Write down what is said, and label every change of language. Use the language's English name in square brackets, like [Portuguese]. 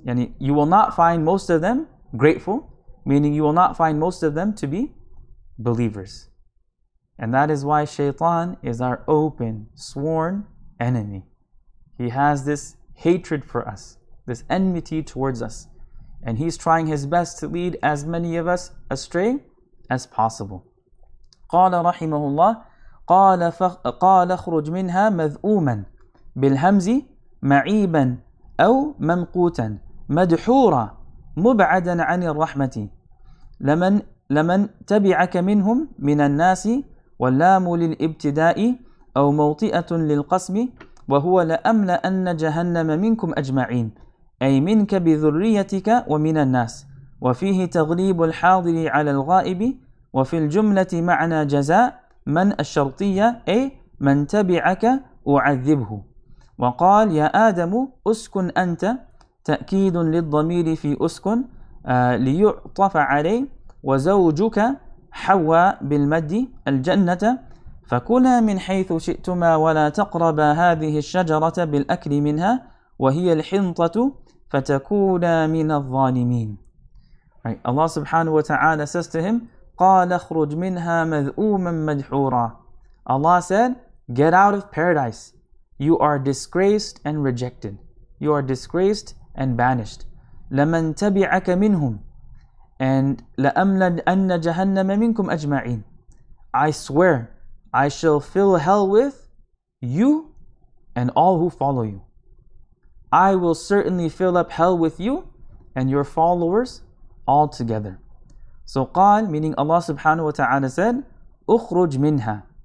[English] يعني you will not find most of them grateful, meaning you will not find most of them to be believers. And that is why Shaytan is our open, sworn enemy. He has this hatred for us, this enmity towards us. And he's trying his best to lead as many of us astray as possible. [Arabic] قال رحمه الله قال اخرج منها مذؤوما بالهمز معيبا أو ممقوتا مدحورا مبعدا عن الرحمة لمن تبعك منهم من الناس واللام للابتداء أو موطئة للقسم وهو لأملأن جهنم منكم أجمعين أي منك بذريتك ومن الناس وفيه تغليب الحاضر على الغائب وفي الجملة معنى جزاء من الشرطية أي من تبعك أعذبه وقال يا آدم أسكن أنت تأكيد للضمير في أسكن ليعطف عليه وزوجك حواء بالمد الجنة فكلا من حيث شئتما ولا تقربا هذه الشجرة بالأكل منها وهي الحنطة فتكونا من الظالمين. [English] Right. Allah subhanahu wa ta'ala says to him, [Arabic] قال اخرج منها مذؤوما مدحورا. [English] Allah said, get out of paradise. You are disgraced and rejected. You are disgraced and banished. [Arabic] لمن تبعك منهم. And لأملأن جهنم منكم أجمعين. [English] I swear, I shall fill hell with you and all who follow you. I will certainly fill up hell with you and your followers all together. So قال, meaning Allah subhanahu wa ta'ala said, [Arabic] أخرج منها.